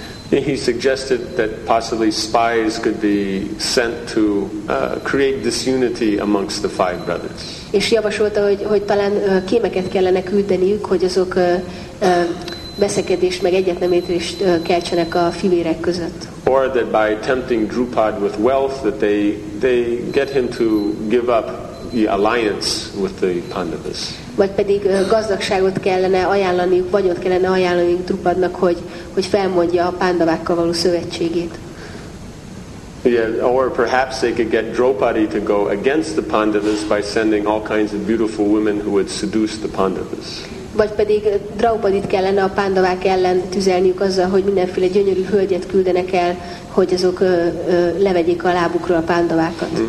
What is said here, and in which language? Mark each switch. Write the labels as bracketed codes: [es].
[en] He suggested that possibly spies could be sent to create disunity amongst the five brothers. [hu] És javasolta, hogy talán kémeket kellene küldeniük, hogy azok veszekedést meg egyetlenítést keltsenek a fivérek között. [en] Or that by tempting Drupad with wealth that they get him to give up the alliance with the Pandavas. [hu] Vagy pedig gazdagságot kellene ajánlaniuk, vagyot kellene ajánlaniuk Drupadnak, hogy felmondja a Pandavákkal való szövetségét. [en] Yeah, or perhaps they could get Draupadi to go against the Pandavas by sending all kinds of beautiful women who would seduce the Pandavas. [hu] Vagy pedig Draupadit kellene a Pandavák ellen tüzelniük azzal, hogy mindenféle gyönyörű hölgyet küldenek el, hogy azok levegyék a lábukról a Pandavákat.